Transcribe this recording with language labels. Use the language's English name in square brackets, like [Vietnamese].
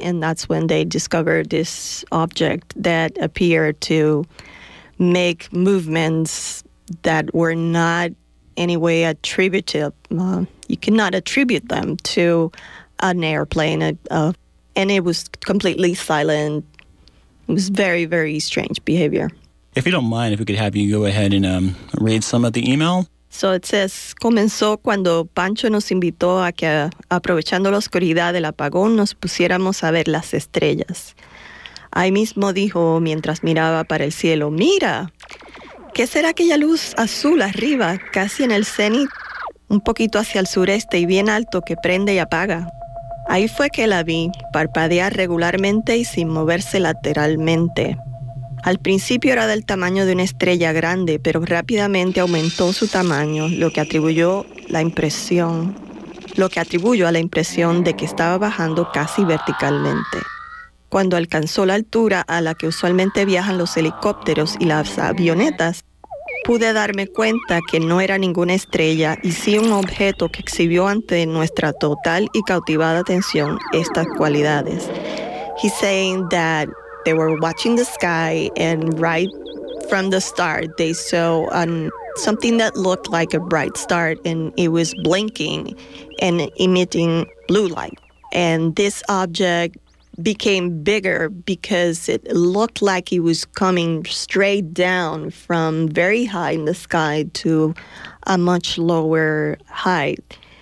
[English] And that's when they discovered this object that appeared to make movements that were not any way attributive. You cannot attribute them to an airplane. And it was completely silent. It was very, very strange behavior. If you don't mind, if we could have you go ahead and read some of the email. So it says, [Spanish] comenzó cuando Pancho nos invitó a que, aprovechando la oscuridad del apagón, nos pusiéramos a ver las estrellas. Ahí mismo dijo, mientras miraba para el cielo, mira, ¿qué será aquella luz azul arriba, casi en el cenit, un poquito hacia el sureste y bien alto que prende y apaga? Ahí fue que la vi, parpadear regularmente y sin moverse lateralmente. Al principio era del tamaño de una estrella grande, pero rápidamente aumentó su tamaño, lo que atribuyó a la impresión de que estaba bajando casi verticalmente. Cuando alcanzó la altura a la que usualmente viajan los helicópteros y las avionetas, pude darme cuenta que no era ninguna estrella y sí un objeto que exhibió ante nuestra total y cautivada atención estas cualidades. [English] He's saying that they were watching the sky and right from the start they saw something that looked like a bright star and it was blinking and emitting blue light. And this object became bigger because it looked like it was coming straight down from very high in the sky to a much lower height.